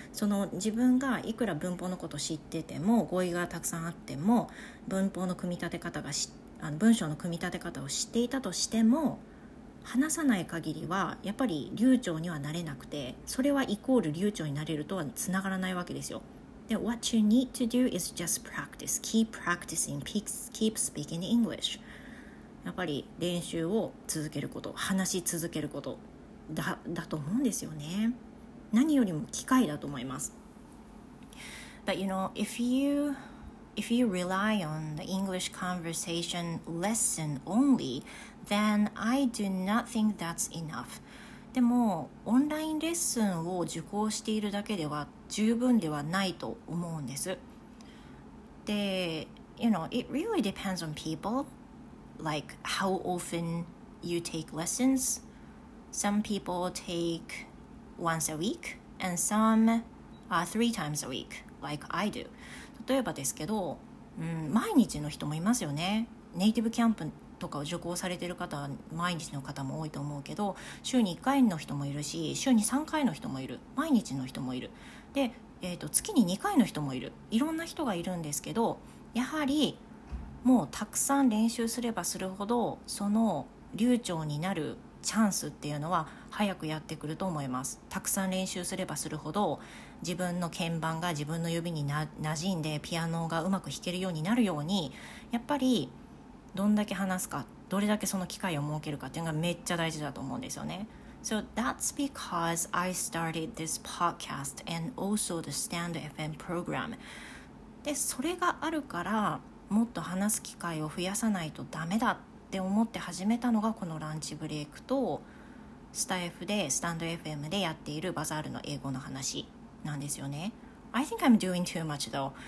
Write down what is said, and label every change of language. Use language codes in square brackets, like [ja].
[ja] その自分がいくら文法のこと知ってても、語彙がたくさんあっても、文法の組み立て方が文章の組み立て方を知っていたとしても、話さない限りはやっぱり流暢にはなれなくて、それはイコール流暢になれるとはつながらないわけですよ。 [en] で、What you need to do is just practice. Keep practicing. Keep speaking English. [ja] やっぱり練習を続けること、話し続けること だと思うんですよね。何よりも機会だと思います。 [en] But you know, if you rely on the English conversation lesson onlyThen I do not think that's enough. [ja] でもオンラインレッスンを受講しているだけでは十分ではないと思うんです。 [en] で、you know, it really depends on people, like how often you take lessons. Some people take once a week, and some are three times a week, like I do. [ja] 例えばですけど、毎日の人もいますよね。ネイティブキャンプとかを受講されている方は毎日の方も多いと思うけど、週に1回の人もいるし、週に3回の人もいる、毎日の人もいる、で、月に2回の人もいる、いろんな人がいるんですけど、やはりもうたくさん練習すればするほどその流暢になるチャンスっていうのは早くやってくると思います。たくさん練習すればするほど自分の鍵盤が自分の指に馴染んでピアノがうまく弾けるようになるように、やっぱりどんだけ話すか、どれだけその機会を設けるかっていうのがめっちゃ大事だと思うんですよね。 [en] So that's because I started this podcast and also the Stand FM program. [ja] で、それがあるからもっと話す機会を増やさないとダメだって思って始めたのがこのランチブレイクとスタイフでスタンド FM でやっているバザールの英語の話なんですよね。 [en] I think I'm doing too much though、